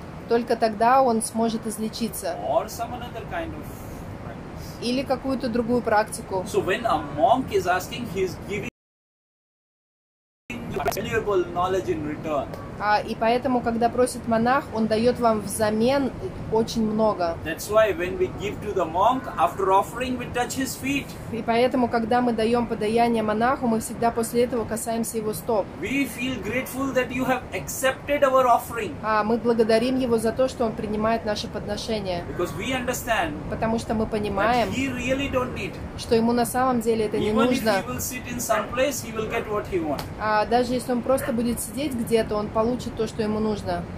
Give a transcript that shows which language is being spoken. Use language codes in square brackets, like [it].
[ru] Только тогда он сможет излечиться. [en] Or some other kind of practice. [ru] Или какую-то другую практику. [en] So when a monk is asking, he's giving valuable knowledge in return. [ru] А и поэтому, когда просит монах, он дает вам взамен очень много. [en] That's why when we give to the monk, after offering, we touch his feet. [ru] И поэтому, когда мы даем подаяние монаху, мы всегда после этого касаемся его стоп. [en] We feel grateful that you have accepted our offering. [ru] А мы благодарим его за то, что он принимает наше подношение. [en] Because we understand. [ru] Потому что мы понимаем, [en] that he really don't need. [ru] Что ему на самом деле это не нужно. [en] Even if he will sit in some place, he will get what he want. [ru] А даже если он просто будет сидеть где-то, он получит то, что ему нужно.